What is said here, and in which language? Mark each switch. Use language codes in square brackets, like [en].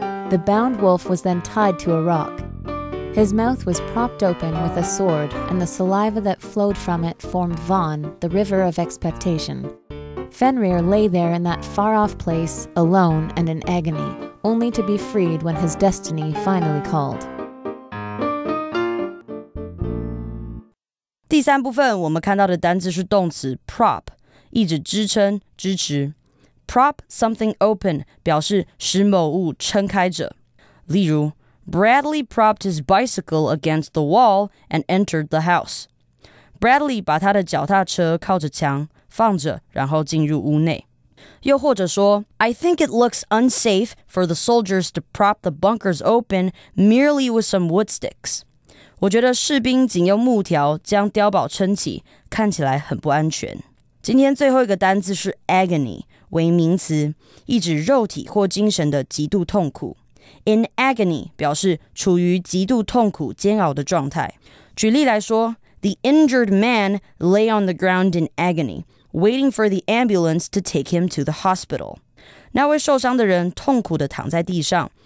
[en] The bound wolf was then tied to a rock. His mouth was propped open with a sword, and the saliva that flowed from it formed Vaan, the river of expectation. Fenrir lay there in that far-off place, alone and in agony, only to be freed when his destiny finally called. [zh] 第三部分我们看到的单字是动词 prop， 意指支撑、支持。 [en] Prop something open [zh] 表示使某物撑开着。例如 [en] ，Bradley propped his bicycle against the wall and entered the house. [zh] Bradley 把他的脚踏车靠着墙放着，然后进入屋内。又或者说 [en] ，I think it looks unsafe for the soldiers to prop the bunkers open merely with some wood sticks. [zh] 我觉得士兵仅用木条将碉堡撑起，看起来很不安全。今天最后一个单字是 agony， 为名词，意指肉体或精神的极度痛苦。 [en] In agony [zh] 表示处于极度痛苦煎熬的状态。举例来说 [en] ，The injured man lay on the ground in agony, waiting for the ambulance to take him to the hospital. [zh] 那位受伤的人痛苦地躺在地上。